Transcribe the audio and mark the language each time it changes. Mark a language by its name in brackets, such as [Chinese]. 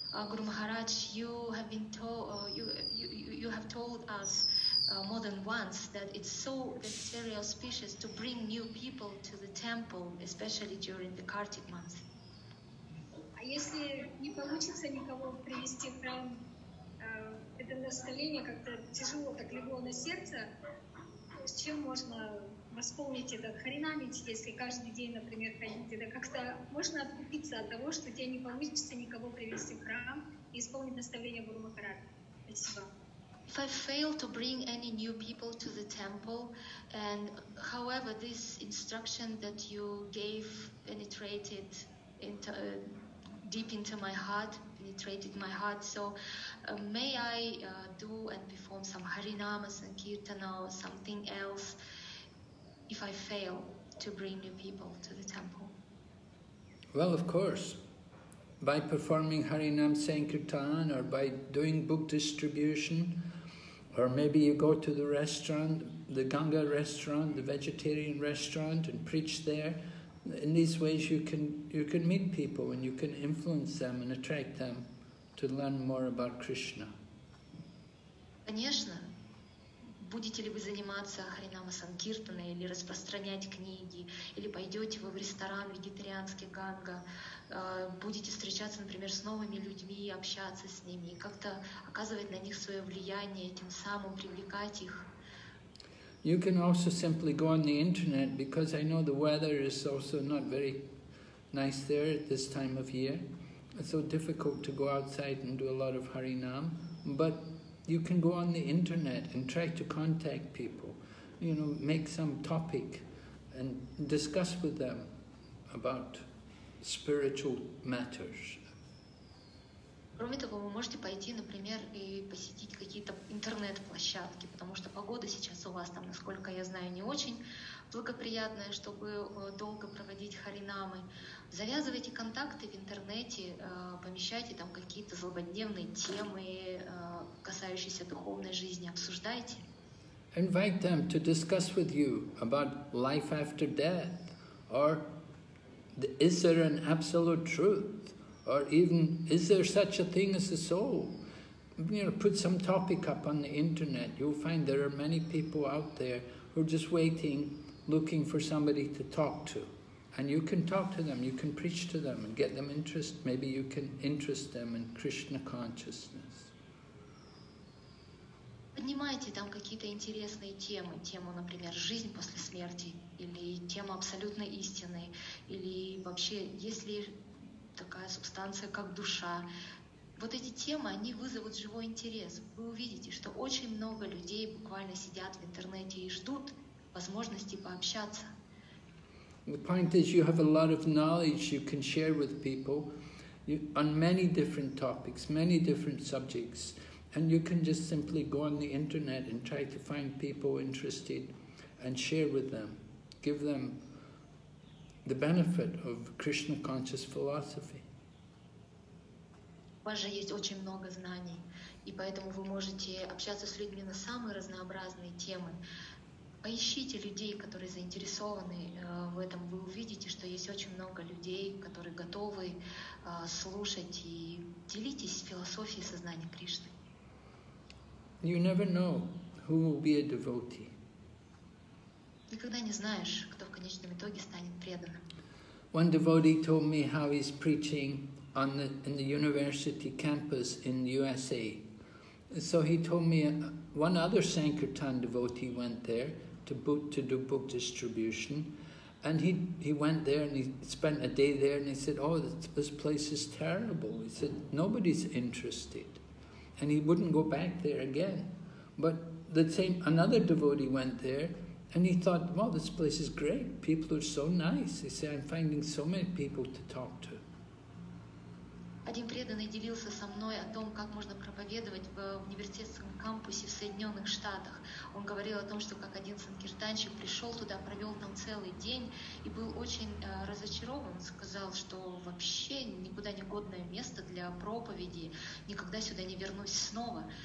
[English] Guru Maharaj, you have told us more than once that it's very auspicious to bring new people to the temple, especially during the Kartik month. [Russian] Если не получится никого привести в храм, это настроение как-то тяжело, так легло на сердце, с чем можно восполнить этот харинамит, если каждый день, например, ходить, это как-то можно откупиться от того, что тебе не получится никого привести в храм и исполнить наставление Гуру Махараджа. Спасибо. [English] If I fail to bring any new people to the temple, and however this instruction that you gave penetrated into deep into my heart, penetrated my heart. So may I do and perform some harinamas and kirtana or something else if I fail to bring new people to the temple? Well, of course. By performing harinam sankirtan or by doing book distribution, or maybe you go to the restaurant, the Ganga restaurant, the vegetarian restaurant and preach there. In these ways you can meet people and you can influence them and attract them to learn more about Krishna. [Russian] Конечно, будете ли вы заниматься харинама санкиртаной или распространять книги, или пойдете вы в ресторан вегетарианский Ганга, будете встречаться, например, с новыми людьми, общаться с ними, и как-то оказывать на них свое влияние, тем самым привлекать их. [English] You can also simply go on the internet, because I know the weather is also not very nice there at this time of year. It's so difficult to go outside and do a lot of harinam. But you can go on the internet and try to contact people, you know, make some topic and discuss with them about spiritual matters. [Russian] Кроме того, вы можете пойти, например, и посетить какие-то интернет-площадки, потому что погода сейчас у вас там, насколько я знаю, не очень благоприятная, чтобы долго проводить харинамы. Завязывайте контакты в интернете, помещайте там какие-то злободневные темы, касающиеся духовной жизни, обсуждайте. [English] Invite them to discuss with you about life after death, or is there an absolute truth? Or even, is there such a thing as a soul? You know, put some topic up on the internet. You'll find there are many people out there who are just waiting, looking for somebody to talk to And you can talk to them, you can preach to them and get them interest. Maybe you can interest them in Krishna consciousness. [Russian] Поднимайте там какие-то интересные темы, тему, например, жизнь после смерти, или тему абсолютной истины, или вообще, есть ли такая субстанция, как душа. Вот эти темы, они вызовут живой интерес. Вы увидите, что очень много людей буквально сидят в интернете и ждут возможности пообщаться. [English] The point is, you have a lot of knowledge you can share with people on many different topics, many different subjects. And you can just simply go on the internet and try to find people interested and share with them, give them the benefit of Krishna conscious philosophy. [Russian] У вас же есть очень много знаний, и поэтому вы можете общаться с людьми на самые разнообразные темы. Поищите людей, которые заинтересованы в этом. Вы увидите, что есть очень много людей, которые готовы слушать и делитесь философией сознания Кришны. [English] You never know who will be a devotee. [Russian] Никогда не знаешь, кто в конечном итоге станет преданным. [English] One devotee told me how he's preaching in the university campus in the USA. So he told me one other Sankirtan devotee went there to do book distribution. And he went there and he spent a day there and he said, oh, this place is terrible. He said, nobody's interested. And he wouldn't go back there again. But another devotee went there and he thought, well, this place is great. People are so nice. He said, I'm finding so many people to talk to. [Russian] Один преданный делился со мной о том, как можно проповедовать в университетском кампусе в Соединенных Штатах. Он говорил о том, что как один санкиртанщик пришел туда, провел там целый день и был очень разочарован. Сказал, что вообще никуда не годное место для проповеди, никогда сюда не вернусь снова.